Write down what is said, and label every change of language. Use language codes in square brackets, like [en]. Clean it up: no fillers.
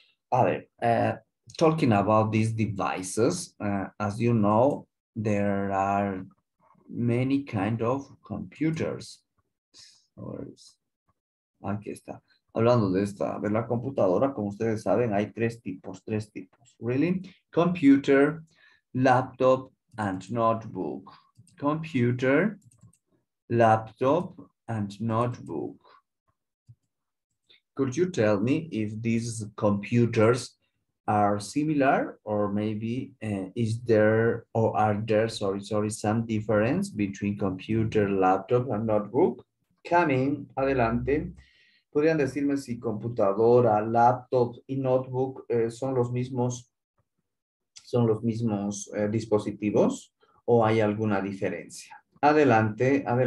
[es] A ver, [en] talking about these devices, as you know, there are many kind of computers. [es] Aquí está. Hablando de esta, de la computadora, como ustedes saben, hay tres tipos. [en] Really? Computer, laptop, and notebook. Computer, laptop, and notebook. Could you tell me if these computers are similar, or maybe are there some difference between computer, laptop, and notebook? Coming, [es] adelante. ¿Podrían decirme si computadora, laptop y notebook son los mismos dispositivos o hay alguna diferencia? Adelante.